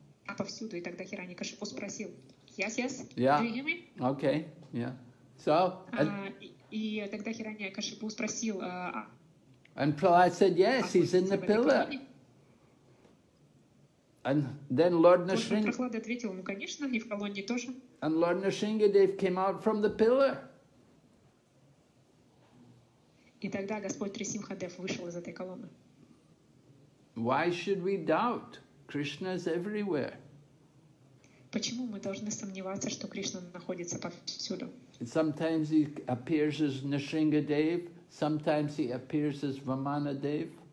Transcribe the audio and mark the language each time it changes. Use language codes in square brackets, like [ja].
[ru] А повсюду, и тогда Хираньякашипу спросил. [en] Yes, yes. Yeah. Do you hear me? Okay. Yeah. So. [ru] И тогда Хираньякашипу спросил. [en] And Prahlad said, yes, he's in the pillar. And then Lord Narsingha. [ru] Прахлада ответил ему, конечно, и в колонии тоже. [en] And Lord Narsingadev came out from the pillar. [ru] И тогда Господь Нарсимхадев вышел из этой колонны. [en] Why should we doubt? Krishna is everywhere. [ru] Почему мы должны сомневаться, что Кришна находится повсюду? [en] Sometimes he appears as Narsingadev, sometimes he appears as Vamanadev.